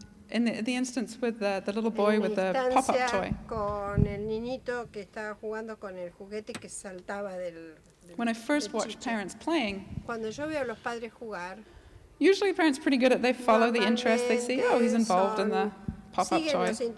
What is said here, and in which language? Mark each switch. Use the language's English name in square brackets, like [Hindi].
[English] in the instance with the little boy with the pop-up toy, [Spanish] con el niñito que estaba jugando con el juguete que saltaba del [English] when I first watched [Spanish] chicho. [English] Parents playing, [Spanish] cuando yo veo a los padres jugar, [English] usually parents are pretty good at they follow the interest, they see, oh, he's involved in the pop-up toy.